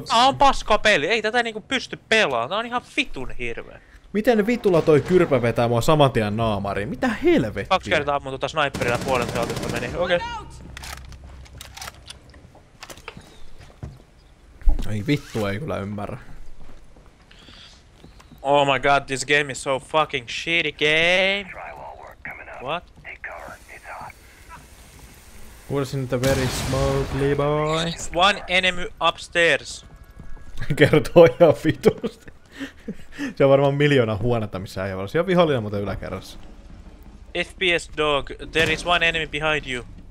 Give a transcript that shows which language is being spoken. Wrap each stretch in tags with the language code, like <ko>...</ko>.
<fi>Tää on paska peli, ei tätä niinku pysty pelaamaan. Tää on ihan vitun hirveä. Miten vitulla toi kyrpä vetää mua saman tien naamariin? Mitä helvettiä? Kaksi kertaa ammun tuota sniperillä puolen teltista meni. Okei. Ei vittu, ei kyllä ymmärrä.</fi> <en>Oh my god, this game is so fucking shitty game. What?</en> <fi>Kuulisin, että</fi> <en>very smokely boy. One enemy upstairs.</en> <fi>Kertoo ihan vitusti. Se on varmaan miljoona huonetta, missä ei ole. Se on vihollinen muuten yläkerrassa.</fi> <en>FPS dog, there is one enemy behind you.</en>